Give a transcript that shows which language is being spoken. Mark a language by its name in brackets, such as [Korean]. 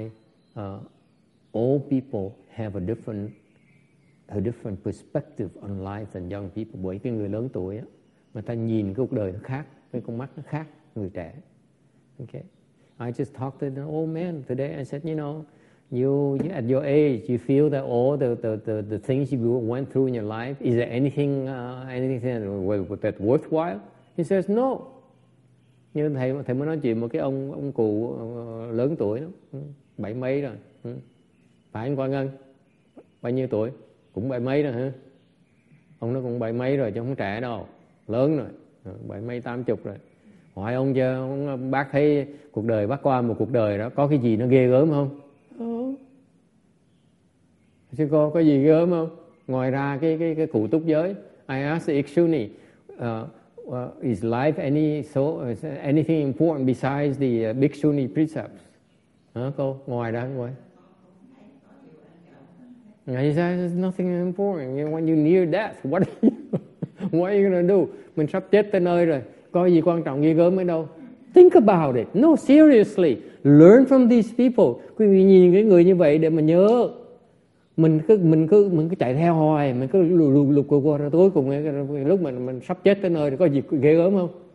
[English] This is why all people have a different perspective on life than young people. [Vietnamese] Bởi cái người lớn tuổi á, người ta nhìn cái cuộc đời nó khác, cái con mắt nó khác người trẻ. [English] Okay, I just talked to an old man today. I said, you know, you at your age, you feel that all the things you went through in your life, is there anything that worthwhile? He says, no. [Vietnamese] Như thầy mới nói chuyện một cái ông cụ lớn tuổi đó, bảy mấy rồi. Phải anh Quang Ngân? Bao nhiêu tuổi? Cũng bảy mấy rồi hả? Ông nó cũng bảy mấy rồi chứ không trẻ đâu, lớn rồi, bảy mấy tám chục rồi. Hỏi ông chưa, ông bác thấy cuộc đời bác qua một cuộc đời đó có cái gì nó ghê gớm không? Sư cô có gì ghê gớm không? Ngoài ra cái cụ túc giới. [English] I asked Ikshuni, is life any so is anything important besides the Bhikshuni precepts? [Vietnamese] Hả cô? Ngoài ra ngoài. [English] He says there's nothing important. When you're near death, what are you gonna do? [Vietnamese] Mình sắp chết tới nơi rồi. Có gì quan trọng ghê gớm ở đâu? [English] Think about it. No, seriously. Learn from these people. [Vietnamese] Quý vị nhìn cái người như vậy để mà nhớ. Mình cứ chạy theo hoài, mình cứ lục qua qua tối cùng lúc mình sắp chết tới nơi có gì ghê gớm không?